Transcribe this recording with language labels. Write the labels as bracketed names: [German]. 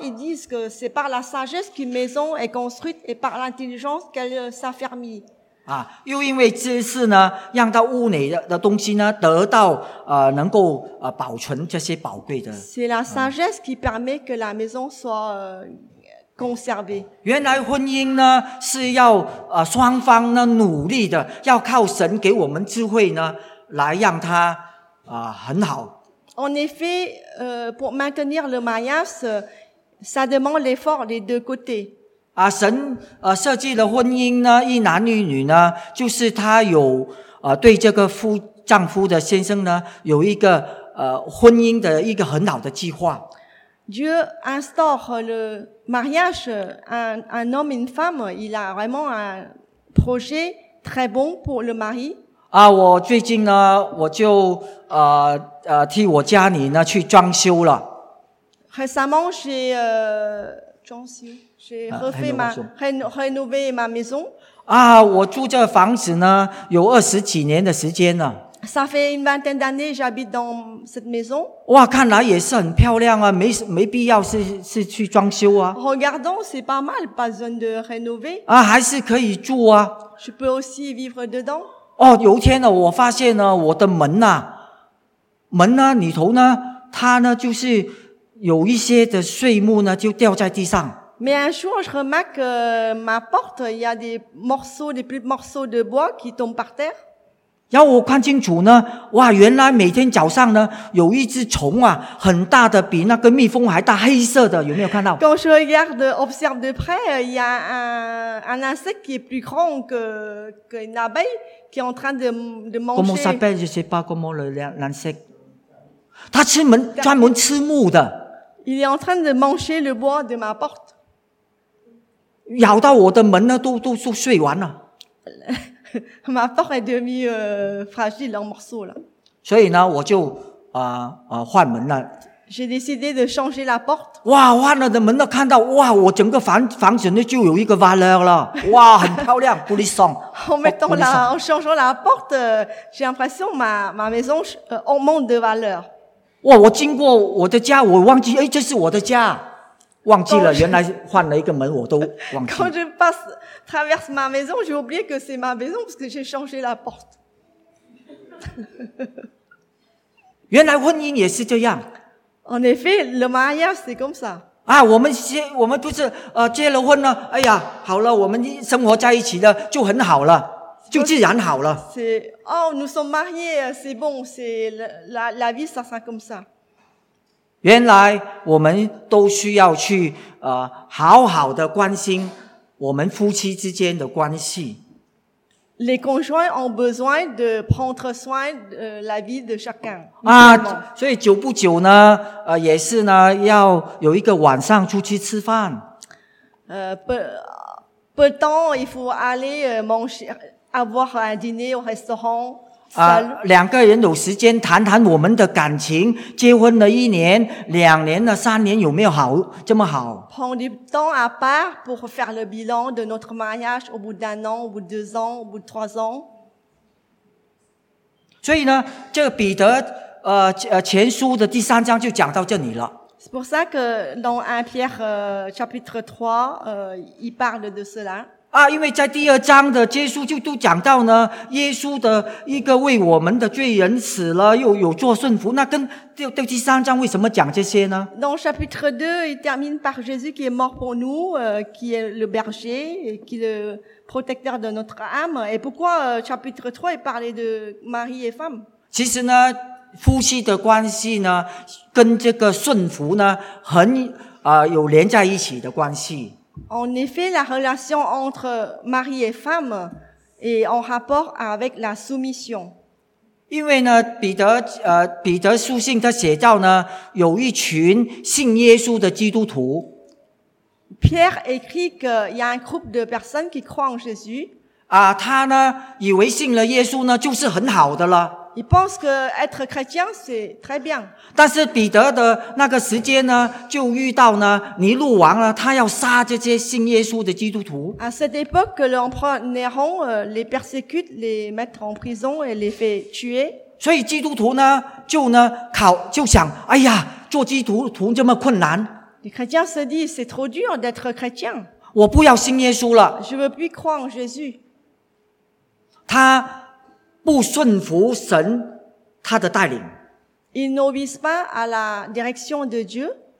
[French] ils disent que c'est par la sagesse qu'une maison est construite et par l'intelligence qu'elle s'affermit. [Chinese] 又因为知识呢，让到屋内的东西呢，得到能够保存这些宝贵的。 [French] C'est la sagesse qui permet que la maison soit conservée。 [Chinese] 原来婚姻呢是要双方呢努力的，要靠神给我们智慧呢，来让它很好。 [French] En effet, pour maintenir le mariage, ça demande l'effort des deux côtés. [Chinese] 神设计的婚姻呢，一男一女呢，就是他有对这个丈夫的先生呢，有一个婚姻的一个很好的计划。 [French] Dieu instaure le mariage, un homme et une femme, il a vraiment un projet très bon pour le mari. [Chinese] 我最近呢，我就替我家里呢去装修了。 [French] Récemment, j'ai [Chinese] 装修，是合肥吗？很努力吗？没送。啊，我住这个房子呢，有二十几年的时间了。 [French] Ça fait une vingtaine d'années que j'habite dans cette maison. [Chinese] 哇，看来也是很漂亮啊，没必要是去装修啊。 [French] Regardons, c'est pas mal, pas besoin de rénover. [Chinese] 啊，还是可以住啊。 [French] Je peux aussi vivre dedans. [Chinese] 哦，有一天呢，我发现呢，我的门呢，里头呢，它呢就是有一些的碎木呢就掉在地上。 [French] Mais un jour, je remarque que ma porte, il y a des petits morceaux de bois qui tombent par terre. [Chinese] 然后我看清楚呢，哇，原来每天早上呢，有一只虫啊，很大的，比那个蜜蜂还大，黑色的，有没有看到？ [French] Quand je regarde, observe de près, il y a un insecte qui est plus grand que une abeille qui est en train de manger. Comment s'appelle? Je sais pas comment l'insecte. [Chinese] 它吃门，专门吃木的。 [French] Il est en train de manger le bois de ma porte. [Chinese] 咬到我的门呢，都碎完了。 [French] Ma porte est devenue fragile en morceaux là. [Chinese] 所以呢，我就换门了。 [French] J'ai décidé de changer la porte. [Chinese] 哇，换了的门呢，看到哇，我整个房子呢就有一个 valeur 了，哇，很漂亮，玻璃窗。 [French] En mettant la, en changeant la porte, j'ai l'impression ma maison augmente de valeur. [Chinese] 哇，我经过我的家，我忘记，哎，这是我的家。忘记了，原来换了一个门，我都忘记了。 [French] Quand je passe traverse ma maison, j'ai oublié que c'est ma maison parce que j'ai changé la porte. [Chinese] 原来婚姻也是这样。 [French] En effet, le mariage c'est comme ça. [Chinese] 啊，我们不是结了婚了，哎呀，好了，我们生活在一起的就很好了，就自然好了。 [French] C'est, oh, nous sommes mariés, c'est bon, c'est la vie, ça sera comme ça. [Chinese] 原来我们都需要去好好的关心我们夫妻之间的关系。 [French] Les conjoints ont besoin de prendre soin de la vie de chacun. [Chinese] 啊，所以久不久呢，也是呢，要有一个晚上出去吃饭。 [French] Peu de temps, il faut aller manger, avoir un dîner au restaurant. [Chinese] 两个人有时间谈谈我们的感情，结婚了一年、两年了、三年，有没有好这么好 [French] ？Prendre du temps à part pour faire le bilan de notre mariage au bout d'un an, au bout de deux ans, au bout de trois ans. [Chinese] 所以呢，这个彼得前书的第三章就讲到这里了。 [French] C'est pour ça que dans 1 Pierre chapitre 3, il parle de cela. [Chinese] 啊，因为在第二章的耶稣就都讲到呢，耶稣的一个为我们的罪人死了，又有做顺服，那跟第三章为什么讲这些呢 [French] ？Dans chapitre 2, il termine par Jésus qui est mort pour nous, qui est le berger, qui est le protecteur de notre âme. Et pourquoi chapitre 3 il parlait de mari et femme？ [Chinese] 其实呢，夫妻的关系呢，跟这个顺服呢，很有连在一起的关系。 [French] En effet, la relation entre mari et femme est en rapport avec la soumission. [Chinese] 因为呢，彼得书信他写到呢，有一群信耶稣的基督徒。 [French] Pierre écrit qu'il y a un groupe de personnes qui croient en Jésus. [Chinese] 啊，他呢，以为信了耶稣呢，就是很好的了。 [French] Il pense que être chrétien c'est très bien. [Chinese] 但是彼得的那个时间呢，就遇到呢尼禄王了，他要杀这些信耶稣的基督徒。 [French] À cette époque, l'empereur Néron les persécute, les met en prison et les fait tuer. [Chinese] 所以基督徒呢，就想，哎呀，做基督徒这么困难。 [French] Les chrétiens se disent, c'est trop dur d'être chrétien. [Chinese] 我不要信耶稣了。 [French] Je veux plus croire en Jésus. [Chinese] 他。不顺服神他的带领。 [French] Il n'obéit pas à la direction de Dieu.